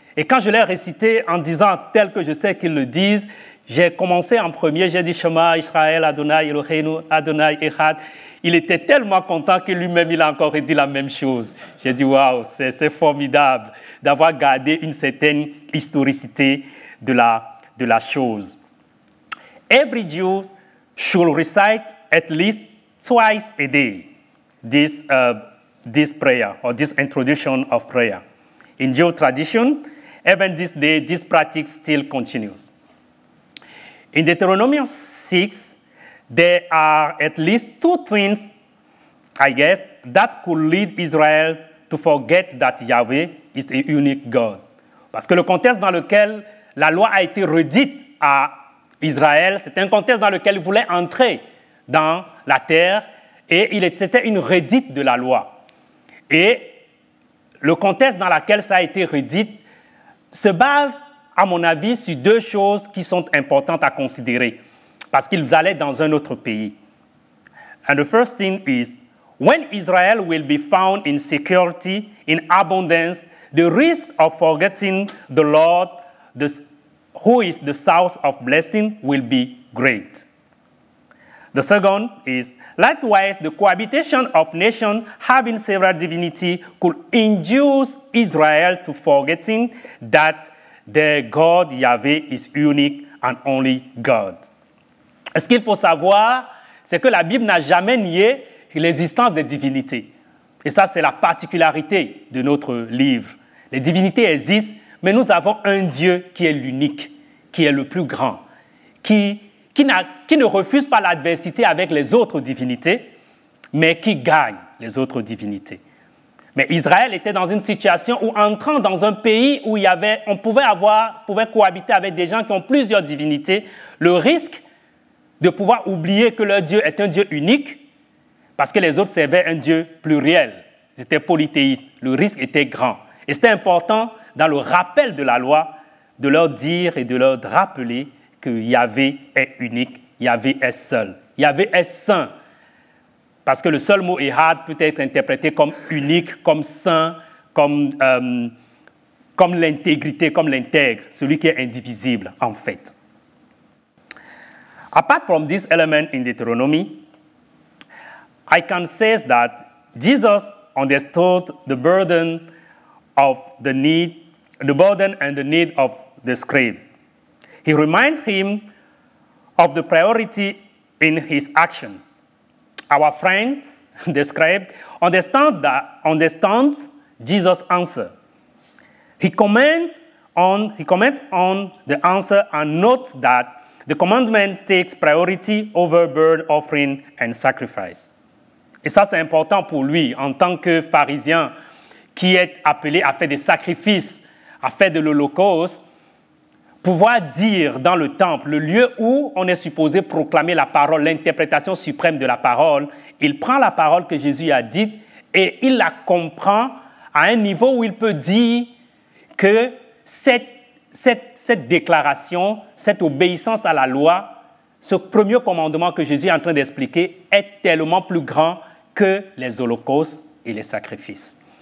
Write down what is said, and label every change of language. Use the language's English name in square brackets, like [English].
[French] Et quand je l'ai récité en disant tel que je sais qu'ils le disent, j'ai commencé en premier, j'ai dit [Hebrew] Shema Israël Adonai Eloheinu Adonai Echad. [French] Il était tellement content que lui-même il a encore dit la même chose. J'ai dit waouh, c'est formidable d'avoir gardé une certaine historicité de la chose. [English] Every Jew should recite at least twice a day this prayer or this introduction of prayer. In Jewish tradition, even this day, this practice still continues. In Deuteronomy 6, there are at least two things, I guess, that could lead Israel to forget that Yahweh is a unique God. [French] Parce que le contexte dans lequel la loi a été redite à Israël, c'est un contexte dans lequel ils voulaient entrer dans la terre et c'était une redite de la loi. Et le contexte dans lequel ça a été redit se base, à mon avis, sur deux choses qui sont importantes à considérer parce qu'ils allaient dans un autre pays. [English] And the first thing is, when Israel will be found in security, in abundance, the risk of forgetting the Lord, who is the source of blessing, will be great. The second is, likewise, the cohabitation of nations having several divinities could induce Israel to forgetting that their God Yahweh is unique and only God. [French] Ce qu'il faut savoir, c'est que la Bible n'a jamais nié l'existence des divinités. Et ça, c'est la particularité de notre livre. Les divinités existent, mais nous avons un Dieu qui est l'unique, qui est le plus grand, qui ne refuse pas l'adversité avec les autres divinités, mais qui gagne les autres divinités. Mais Israël était dans une situation où, entrant dans un pays où on pouvait cohabiter avec des gens qui ont plusieurs divinités, le risque de pouvoir oublier que leur Dieu est un Dieu unique, parce que les autres servaient un Dieu pluriel, ils étaient polythéistes, le risque était grand. Et c'était important, dans le rappel de la loi, de leur dire et de leur rappeler que Yahvé est unique, Yahvé est seul, Yahvé est saint. Parce que le seul mot « Ehad » peut être interprété comme unique, comme saint, comme l'intégrité, comme l'intègre, celui qui est indivisible, en fait. [English] Apart from this element in Deuteronomy, I can say that Jesus understood the burden of the need, the burden and the need of the scribe. He reminds him of the priority in his action. Our friend, the scribe, understands Jesus' answer. He comments on the answer and notes that the commandment takes priority over burnt offering and sacrifice. [French] Et ça, c'est important pour lui, en tant que pharisien qui est appelé à faire des sacrifices, à faire de l'holocauste, pouvoir dire dans le temple, le lieu où on est supposé proclamer la parole, l'interprétation suprême de la parole, il prend la parole que Jésus a dite et il la comprend à un niveau où il peut dire que cette déclaration, cette obéissance à la loi, ce premier commandement que Jésus est en train d'expliquer est tellement plus grand que les holocaustes et les sacrifices.